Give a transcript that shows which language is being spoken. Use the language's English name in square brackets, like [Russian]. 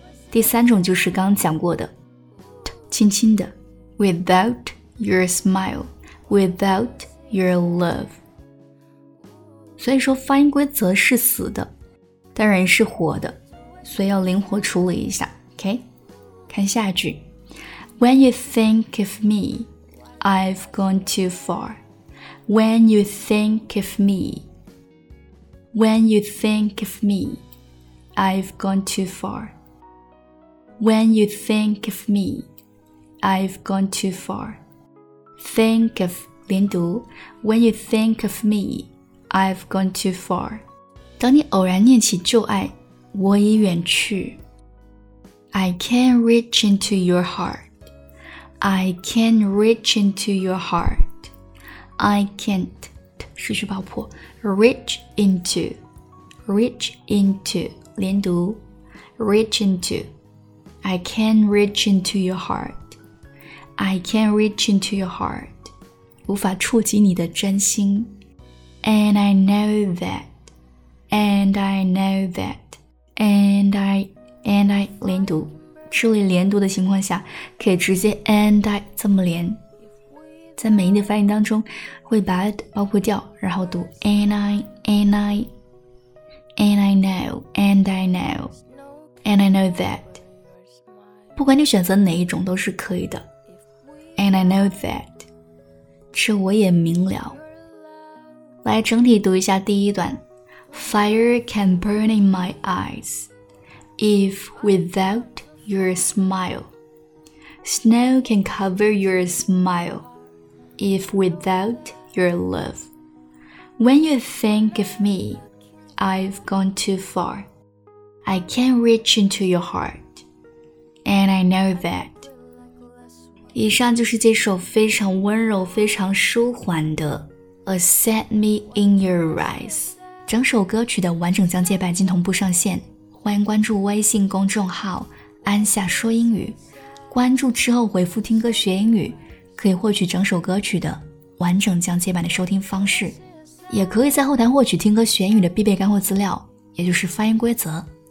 [Chinese] 第三种就是刚刚讲过的 T 轻轻的 [English] Without your smile Without your love [Chinese] 所以说发音规则是死的，当然是活的，所以要灵活处理一下。 OK， 看下一句 [English] ，When you think of me, I've gone too far. When you think of me, When you think of me, I've gone too far. When you think of me, I've gone too far. Think of [Chinese] 连读 [English] ，When you think of me. I've gone too far. [Chinese] 当你偶然念起旧爱，我已远去。 [English] I can't reach into your heart. I can't reach into your heart. I can't. [Chinese] 失去爆破。 [English] Reach into. Reach into. [Chinese] 连读。 [English] Reach into. I can't reach into your heart. I can't reach into your heart. [Chinese] 无法触及你的真心。 [English] And I know that, and I know that, and I [Chinese] 连读，这里连读的情况下，可以直接 [English] and I [Chinese] 这么连，在美音的发音当中，会把 it 包括掉，然后读 [English] and I, and I, I know, and I know, and I know that. [Chinese] 不管你选择哪一种都是可以的。 [English] And I know that. [Chinese] 这我也明了。来整体读一下第一段。 [English] Fire can burn in my eyes if without your smile. Snow can cover your smile if without your love. When you think of me, I've gone too far. I can't reach into your heart. And I know that. [Chinese] 以上就是这首非常温柔非常舒缓的 Accept Me In Your Eyes。整首歌曲的完整讲解版今同步上线，欢迎关注微信公众号安夏说英语，关注之后回复听歌学英语，可以获取整首歌曲的完整讲解版的收听方式，也可以在后台获取听歌学英语的必备干货资料，也就是发音规则。